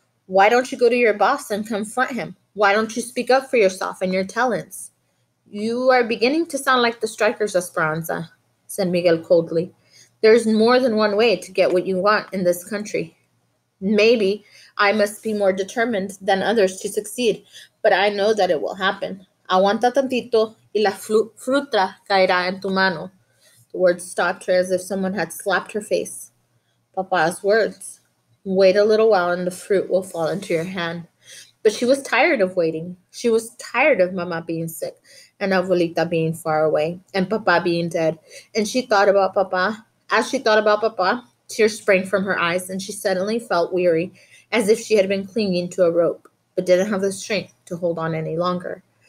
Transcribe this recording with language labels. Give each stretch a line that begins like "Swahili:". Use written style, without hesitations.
English: Why don't you go to your boss and confront him? Why don't you speak up for yourself and your talents? You are beginning to sound like the strikers, Esperanza, said Miguel coldly. There's more than one way to get what you want in this country. Maybe I must be more determined than others to succeed, but I know that it will happen.
Spanish: Aguanta tantito y la fruta caerá en tu mano.
English: The words stopped her as if someone had slapped her face. Papa's words. Wait a little while and the fruit will fall into your hand. But she was tired of waiting. She was tired of Mama being sick and Abuelita being far away and Papa being dead. And she thought about Papa. As she thought about Papa, tears sprang from her eyes and she suddenly felt weary, as if she had been clinging to a rope, but didn't have the strength to hold on any longer.